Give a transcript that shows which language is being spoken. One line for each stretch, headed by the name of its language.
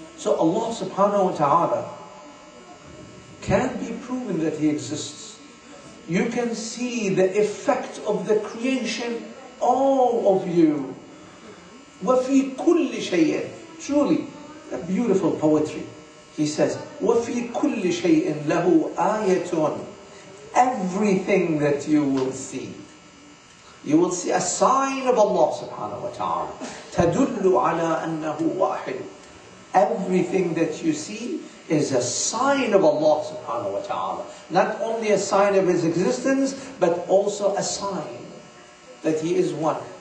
English: So Allah subhanahu wa ta'ala can be proven that He exists. You can see the effect of the creation, all of you.
Arabic: وَفِي كُلِّ شَيْءٍ.
English: Truly, a beautiful poetry. He says,
Arabic: وَفِي كُلِّ شَيْءٍ لَهُ آيَةٌ.
English: Everything that you will see, you will see a sign of Allah subhanahu wa ta'ala.
Arabic: تَدُلُّ عَلَىٰ أَنَّهُ وَاحِدٌ.
English: Everything that you see is a sign of Allah subhanahu wa ta'ala. Not only a sign of His existence, but also a sign that He is one.